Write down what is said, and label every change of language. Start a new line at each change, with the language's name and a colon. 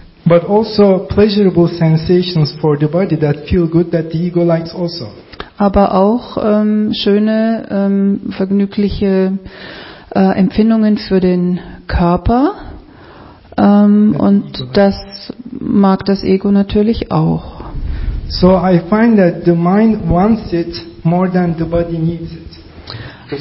English: But also pleasurable sensations for the body that feel good that the ego likes also.
German: Aber auch schöne, vergnügliche Empfindungen für den Körper und das mag das Ego natürlich auch.
English: So I find that the mind wants it more than the body needs it.